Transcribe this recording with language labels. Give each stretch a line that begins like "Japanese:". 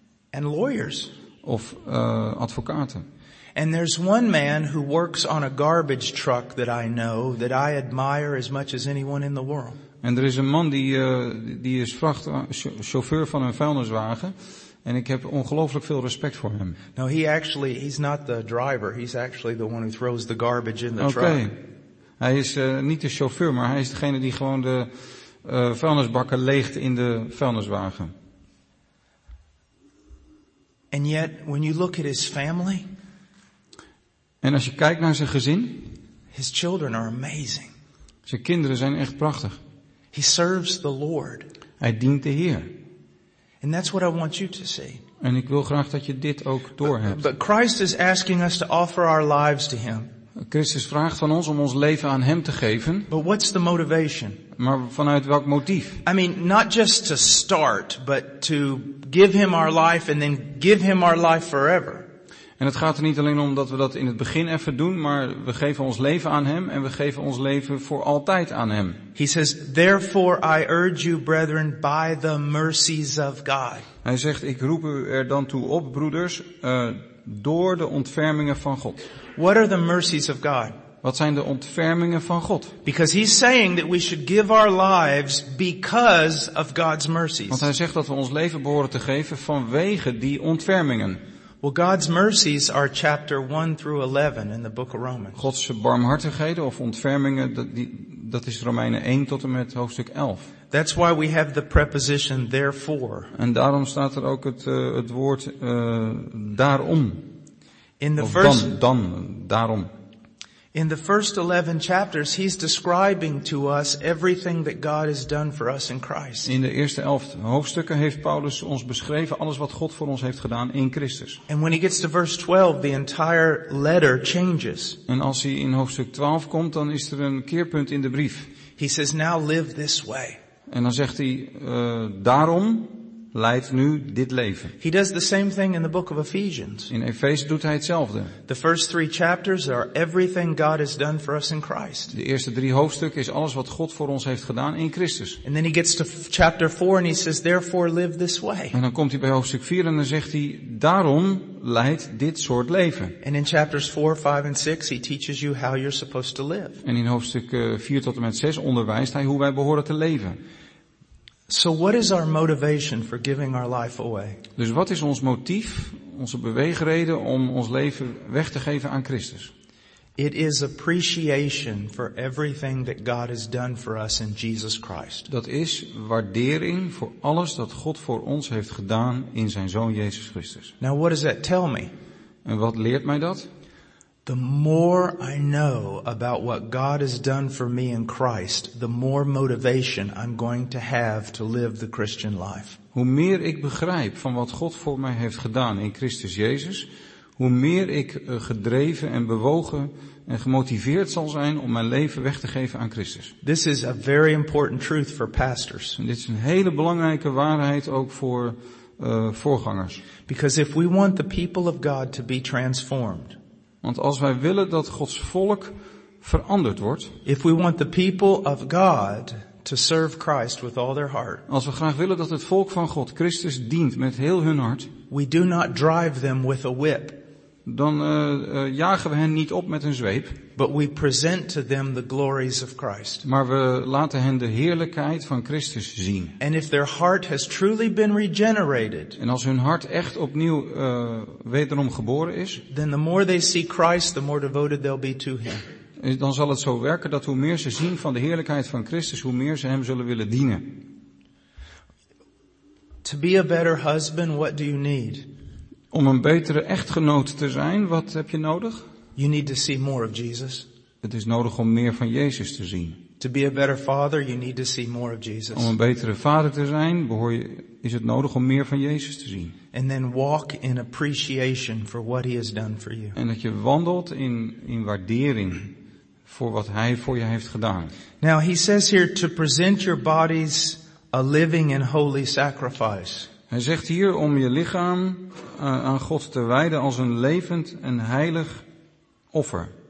English: And lawyers.
Dutch: Of advocaten.
English: And there's one man who works on a garbage truck that I know that I admire as much as anyone in the world.
Dutch: En er is een man die is chauffeur van een vuilniswagen. En ik heb ongelooflijk veel respect voor hem.
English: No, he's not the driver. He's actually the one who throws the garbage in the truck. Okay.
Dutch: Hij is niet de chauffeur, maar hij is degene die gewoon de vuilnisbakken leegt in de vuilniswagen.
English: And yet, when you look at his family,
Dutch: en als je kijkt naar zijn gezin,
English: his children are amazing.
Dutch: Zijn kinderen zijn echt prachtig.
English: He serves the Lord.
Dutch: Hij dient de Heer.
English: And that's what I want you to see.
Dutch: En ik wil graag dat je dit ook doorhebt.
English: But Christ is asking us to offer our lives to him.
Dutch: Christus vraagt van ons om ons leven aan hem te geven.
English: But what's the motivation?
Dutch: Maar vanuit welk motief?
English: I mean, not just to start, but to give him our life and then give him our life forever.
Dutch: En het gaat er niet alleen om dat we dat in het begin even doen, maar we geven ons leven aan hem en we geven ons leven voor altijd aan hem.
English: He says, therefore I urge you, brethren, by the mercies of God.
Dutch: Hij zegt, ik roep u er dan toe op, broeders, door de ontfermingen van God.
English: What are the mercies of God?
Dutch: Wat zijn de ontfermingen van God?
English: Because he's saying that we should give our lives because of God's mercies.
Dutch: Want hij zegt dat we ons leven behoren te geven vanwege die ontfermingen.
English: Well, God's mercies are chapter 1 through 11 in the book of Romans.
Dutch: Gods barmhartigheden of ontfermingen, dat is Romeinen 1 tot en met hoofdstuk 11.
English: That's why we have the preposition therefore.
Dutch: En daarom staat er ook het woord daarom.
English: In the
Dutch: of
English: first
Dutch: dan daarom.
English: In the first 11 chapters he's describing to us everything that God has done for us in Christ.
Dutch: In de eerste 11 hoofdstukken heeft Paulus ons beschreven alles wat God voor ons heeft gedaan in Christus.
English: And when he gets to verse 12 the entire letter changes.
Dutch: En als hij in hoofdstuk 12 komt dan is er een keerpunt in de brief.
English: He says now live this way.
Dutch: En dan zegt hij daarom leidt nu dit leven.
English: He does the same thing in the book of Ephesians.
Dutch: In Efeze doet hij hetzelfde.
English: The first three chapters are everything God has done for us in Christ.
Dutch: De eerste drie hoofdstukken is alles wat God voor ons heeft gedaan in Christus.
English: And then he gets to chapter 4 and he says, therefore live this way.
Dutch: En dan komt hij bij hoofdstuk 4 en dan zegt hij, daarom leidt dit soort leven.
English: And in chapters 4, 5 and 6 he teaches you how you're supposed to live.
Dutch: En in hoofdstuk 4 tot en met 6 onderwijst hij hoe wij behoren te leven.
English: So what is our motivation for giving our life away?
Dutch: Dus wat is ons motief, onze beweegreden om ons leven weg te geven aan Christus?
English: It is appreciation for everything that God has done for us in Jesus Christ.
Dutch: Dat is waardering voor alles dat God voor ons heeft gedaan in zijn zoon Jezus Christus.
English: Now what does that tell me?
Dutch: En wat leert mij dat?
English: The more I know about what God has done for me in Christ, the more motivation I'm going to have to live the Christian life.
Dutch: Hoe meer ik begrijp van wat God voor mij heeft gedaan in Christus Jezus, hoe meer ik gedreven en bewogen en gemotiveerd zal zijn om mijn leven weg te geven aan Christus.
English: This is a very important truth for pastors.
Dutch: En dit is een hele belangrijke waarheid ook voor voorgangers.
English: Because if we want the people of God to be transformed.
Dutch: Want als wij willen dat Gods volk veranderd wordt.
English: If we want the people of God to serve Christ with all their heart.
Dutch: Als we graag willen dat het volk van God Christus dient met heel hun hart.
English: We do not drive them with a whip.
Dutch: Dan jagen we hen niet op met een zweep.
English: But we present to them the glories of Christ.
Dutch: Maar we laten hen de heerlijkheid van Christus zien.
English: And if their heart has truly been regenerated.
Dutch: En als hun hart echt opnieuw wederom geboren is.
English: Then the more they see Christ, the more devoted they'll be to him.
Dutch: Dan zal het zo werken dat hoe meer ze zien van de heerlijkheid van Christus, hoe meer ze hem zullen willen dienen.
English: To be a better husband, what do you need?
Dutch: Om een betere echtgenoot te zijn, wat heb je nodig?
English: You need to see more of Jesus.
Dutch: Het is nodig om meer van Jezus te zien.
English: To be a better father, you need to see more of Jesus.
Dutch: Om een betere vader te zijn, is het nodig om meer van Jezus te zien.
English: And then walk in appreciation for what he has done for you.
Dutch: En dat je wandelt in waardering voor wat hij voor je heeft gedaan.
English: Now he says here to present your bodies a living and holy sacrifice.
Dutch: Hij zegt hier om je lichaam aan God te wijden als een levend en heilig offer.